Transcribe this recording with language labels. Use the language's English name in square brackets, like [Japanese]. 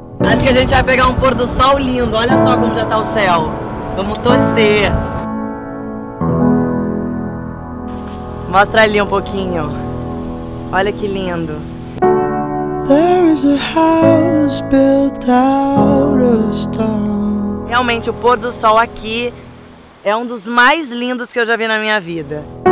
[Portuguese] Acho que a gente vai pegar um pôr do sol lindo, olha só como já tá o céu. Vamos torcer. Mostra ali um pouquinho. Olha que lindo. [English] There is There's a house built out of stone. [Portuguese] Realmente, o pôr do sol aqui é um dos mais lindos que eu já vi na minha vida.